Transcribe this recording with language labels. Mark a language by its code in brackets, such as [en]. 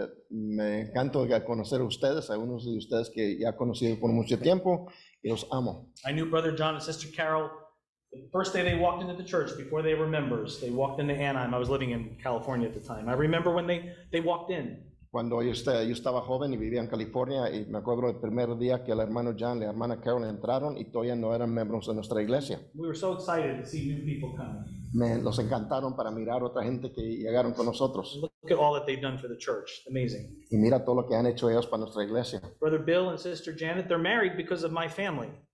[es] Me encanta conocer a ustedes, a unos de ustedes que ya he conocido por mucho tiempo, y los amo. [en] I knew Brother John and Sister Carol the first day they walked into the church before they were members. They walked into Anaheim. I was living in California at the time. I remember when they walked in. [es] Cuando yo estaba joven y vivía en California, y me acuerdo el primer día que el hermano John y la hermana Carol entraron y todavía no eran miembros de nuestra iglesia. [en] We were so excited to see new people coming. [es] Los encantaron para mirar otra gente que llegaron con nosotros. [en] Look at all that they've done for the church. Amazing. [es] Y mira todo lo que han hecho ellos para nuestra iglesia. [en] Brother Bill and Sister Janet, they're married because of my family.